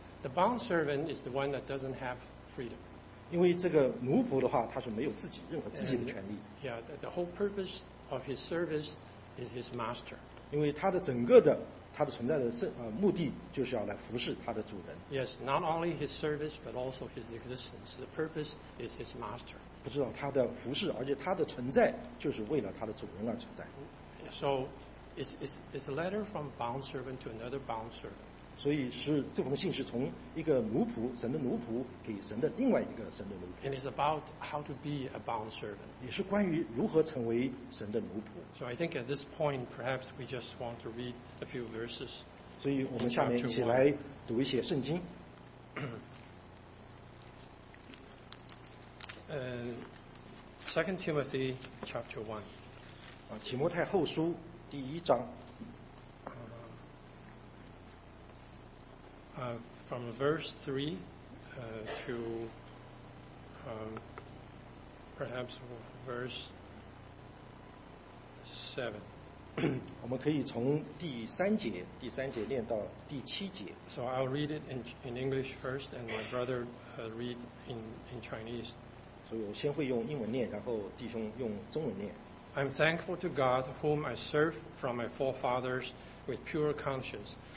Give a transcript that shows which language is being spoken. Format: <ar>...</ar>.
<en>The bond servant is the one that doesn't have freedom.</en> <zh>因为这个奴仆的话，他是没有自己任何自己的权利。</zh> <en>Yeah, the whole purpose of his service is his master.</en> <zh>因为他的整个的他的存在的目的就是要来服侍他的主人。</zh> <en>Yes, not only his service but also his existence. The purpose is his master.</en> <zh>不知道他的服侍，而且他的存在就是为了他的主人而存在。</zh> <en>So, it's a letter from bond servant to another bond servant.</en> <zh>所以是这封信是从一个奴仆神的奴仆给神的另外一个神的奴仆</zh> <en>and it's about how to be a bond servant</en> <zh>也是关于如何成为神的奴仆</zh> <en>so I think at this point perhaps we just want to read a few verses</en> <zh>所以我们下面一起来读一些圣经</zh> <en>2 Timothy chapter 1</en> <zh>提摩太后书第一章</zh> <en>From verse 3 to perhaps verse 7.</en> <zh>我们可以从第三节念到第七节。</zh> <en>So I'll read it in English first, and my brother read in Chinese.</en> <zh>所以我先会用英文念，然后弟兄用中文念。</zh> <en>I'm thankful to God, whom I serve from my forefathers with pure conscience.</en>